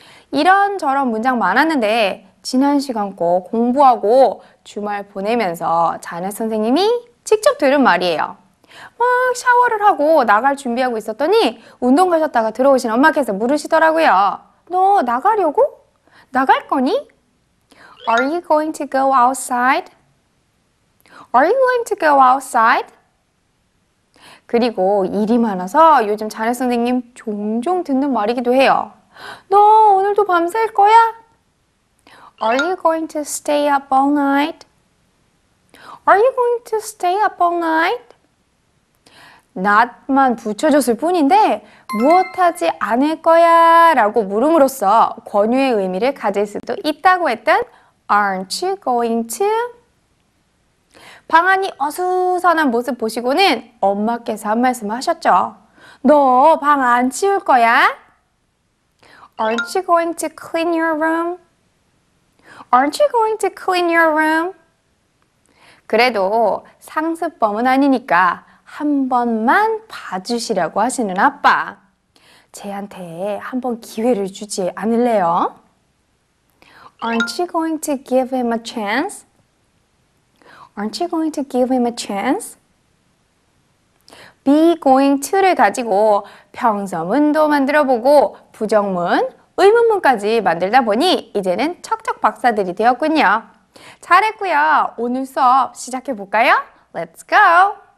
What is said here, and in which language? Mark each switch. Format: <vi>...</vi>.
<ko>이런 저런 문장 많았는데 지난 시간 꼭 공부하고 주말 보내면서 자네 선생님이 직접 들은 말이에요. 막 샤워를 하고 나갈 준비하고 있었더니 운동 가셨다가 들어오신 엄마께서 물으시더라고요. 너 나가려고? 나갈 거니?</ko> <en>Are you going to go outside? Are you going to go outside?</en> <ko>그리고 일이 많아서 요즘 자네 선생님 종종 듣는 말이기도 해요. 너 오늘도 밤샐 거야?</ko> <en>Are you going to stay up all night? Are you going to stay up all night?</en> <ko>Not만 붙여줬을 뿐인데 무엇하지 않을 거야? 라고 물음으로써 권유의 의미를 가질 수도 있다고 했던</ko> <en>Aren't you going to?</en> <ko>방안이 어수선한 모습 보시고는 엄마께서 한 말씀 하셨죠. 너 방 안 치울 거야?</ko> <en>Aren't you going to clean your room? Aren't you going to clean your room?</en> <ko>그래도 상습범은 아니니까 한 번만 봐주시라고 하시는 아빠. 쟤한테 한번 기회를 주지 않을래요?</ko> <en>Aren't you going to give him a chance? Aren't you going to give him a chance?</en> <ko>Be going to를 가지고 병서문도 만들어보고 부정문, 의문문까지 만들다 보니 이제는 척척 박사들이 되었군요. 잘했고요. 오늘 수업 시작해볼까요?</ko> <en>Let's go!</en>